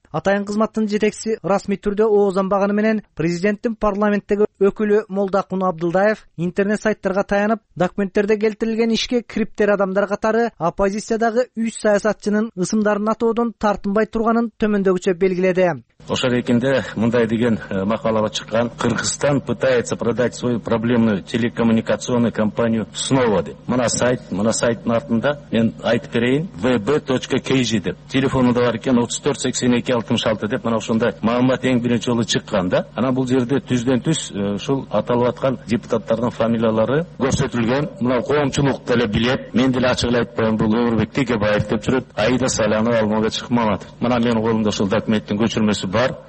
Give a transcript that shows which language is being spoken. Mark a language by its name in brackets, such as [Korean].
[Kyrgyz] Атайын кызматтын жетекчиси расмий түрдө оозанбаганы менен президенттин парламенттеги өкүлү Молдакун Абдылдаев интернет сайттарга таянып, документтерде келтирилген ишке кириптер адамдар катары оппозициядагы 3 саясатчынын ысымдарын атоодон тартынбай турганын төмөндөгүчө белгиледи. Ошол экинде мындай деген макалага чыккан: [Russian] Кыргызстан пытается продать свою проблемную телекоммуникационную компанию снова деп. [Kyrgyz] Мына сайттын артында мен айтып берейин: vb.kg деп. Телефону да бар экен 34-82-66 деп, мына ошондой маалымат эң биринчи жолу чыккан да. Анан бул жерде түздөн түз ушул аталып аткан депутаттардын фамилиялары көрсөтүлгөн. Мына коомчулук деле билет. Мен деле ачык эле айтып коеюн, бул Өмүрбек Текебаев деп жүрөт, Аида Салянова Алмабек Шыкмаматов. Мына менин колумда ушул документтин көчүрмөсү бар.